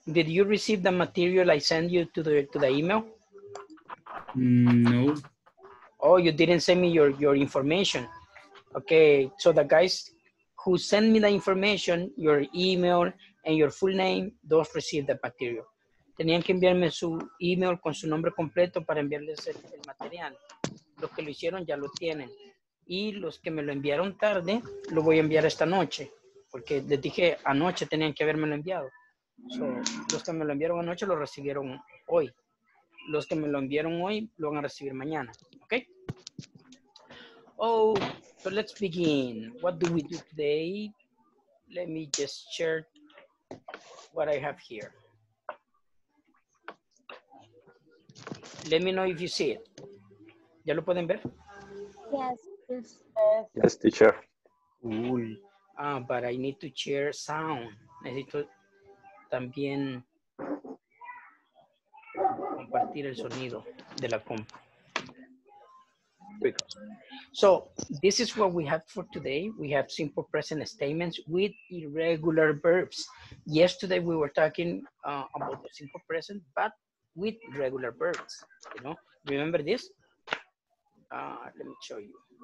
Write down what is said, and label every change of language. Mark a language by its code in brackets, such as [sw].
[en] Did you receive the material I sent you to the email? No. Oh, you didn't send me your information. Okay, so the guys who sent me the information, your email and your full name, those received the material. [es] Tenían que enviarme su email con su nombre completo para enviarles el material. Los que lo hicieron ya lo tienen. Y los que me lo enviaron tarde, lo voy a enviar esta noche. Porque les dije, anoche tenían que haberme lo enviado. So, los que me lo enviaron anoche lo recibieron hoy. Los que me lo enviaron hoy lo van a recibir mañana. [en] Ok. Oh, so let's begin. What do we do today? Let me just share what I have here. Let me know if you see it. [es] ¿Ya lo pueden ver? [en] Yes. Yes, teacher. Cool. Ah, but I need to share sound. [es] Necesito también compartir el sonido de la compu. [en] So, this is what we have for today. We have simple present statements with irregular verbs. Yesterday we were talking about the simple present, but with regular verbs. You know, remember this? Let me show you.